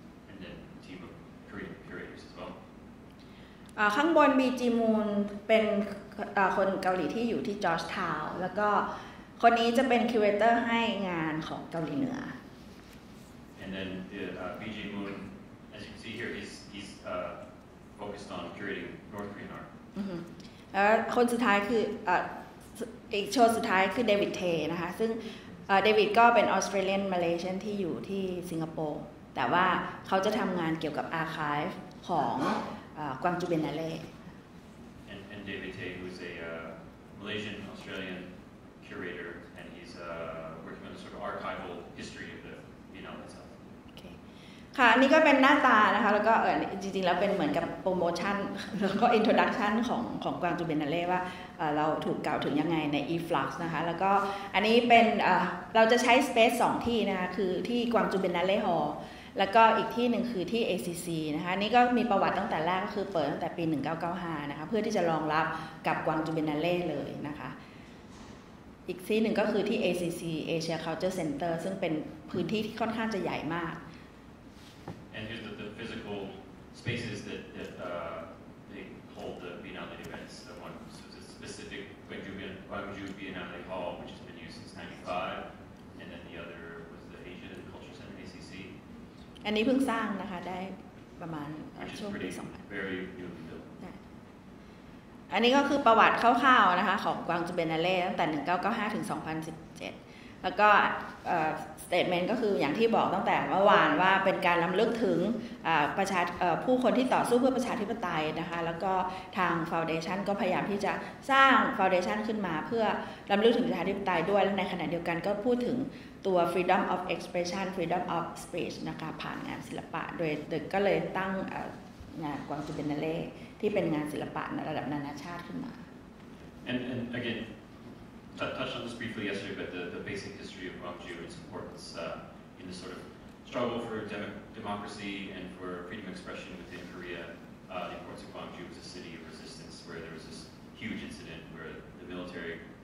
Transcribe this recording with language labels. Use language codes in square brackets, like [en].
[en] And then team of Korean curators as well. [th] ข้างบนมีจีมูนเป็นคนเกาหลีที่อยู่ที่จอร์จทาวน์แล้วก็คนนี้จะเป็นคิวเรเตอร์ให้งานของเกาหลีเหนือ [en] And then BJ Moon as you can see here he's focused on curating North Korean art [th] แล้วคนสุดท้ายคืออีกโชว์สุดท้ายคือเดวิดเทนะคะซึ่งเดวิดก็เป็นออสเตรเลียนมาเลเซียนที่อยู่ที่สิงคโปร์แต่ว่าเขาจะทำงานเกี่ยวกับอาร์คีฟของกวางจูเบนนาเล่ [en] and เดวิดเท who's a Malaysian Australian curator and he's working on a sort of archival history of the Biennale itself [th] ค่ะนี่ก็เป็นหน้าตานะคะแล้วก็จริงๆแล้วเป็นเหมือนกับโปรโมชั่นแล้วก็อินโทรดักชั่นของกวางจูเบนนาเล่ว่าเราถูกกล่าวถึงยังไงใน e-flux นะคะแล้วก็อันนี้เป็นเราจะใช้ space 2ที่นะคะคือที่กวางจูเบนนาเล่ฮอลแล้วก็อีกที่หนึ่งคือที่ ACC นะคะนี่ก็มีประวัติตั้งแต่แรกก็คือเปิดตั้งแต่ปี1995นะคะเพื่อที่จะรองรับกับกวางจูเบนนาเล่เลยนะคะอีกที่หนึ่งก็คือที่ ACC Asia Culture Center ซึ่งเป็นพื้นที่ที่ค่อนข้างจะใหญ่มาก [en] And here's the physical spaces that they hold the Biennale events. The one specific Gwangju Biennale Hall, which has been used since 1995, and then the other was the Asian Culture Center (ACC). And this was just built, right? About 2000. Very newly built. [th] อันนี้ก็คือประวัติคร่าวๆนะคะของกวางจูเบนนาเล่ตั้งแต่1995ถึง2017แล้วก็สเตทเมนต์ก็คืออย่างที่บอกตั้งแต่เมื่อวานว่าเป็นการรำลึกถึง ประชาผู้คนที่ต่อสู้เพื่อประชาธิปไตยนะคะแล้วก็ทางฟาวเดชั่นก็พยายามที่จะสร้างฟาวเดชั่นขึ้นมาเพื่อรำลึกถึงประชาธิปไตยด้วยและในขณะเดียวกันก็พูดถึงตัว [en] freedom of expression freedom of speech [th] นะคะผ่านงานศิลปะโดยก็เลยตั้งงานกวางจูเบนนาเล่ที่เป็นงานศิลปะในระดับนานาชาติขึ้นมา [en] and again touched on this briefly yesterday but the basic history of Gwangju and its importance in the sort of struggle for democracy and for freedom of expression within Korea the importance of Gwangju as a city of resistance where there was this huge incident where the military